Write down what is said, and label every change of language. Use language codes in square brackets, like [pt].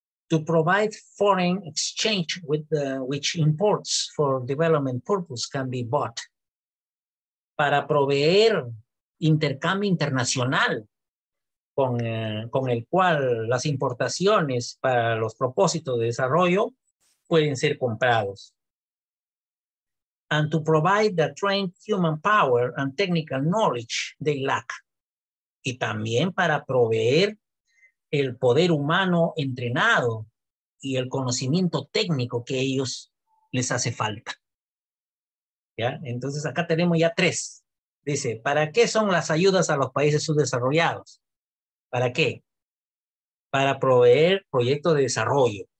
[en] To provide foreign exchange which imports for development purpose can be bought. [es] Para proveer intercambio internacional con el cual las importaciones para los propósitos de desarrollo pueden ser comprados. [en] And to provide the trained human power and technical knowledge they lack. [es] Y también para proveer el poder humano entrenado y el conocimiento técnico que ellos les hace falta. ¿Ya? Entonces acá tenemos ya tres. Dice, ¿para qué son las ayudas a los países subdesarrollados? ¿Para qué? Para proveer proyectos de desarrollo.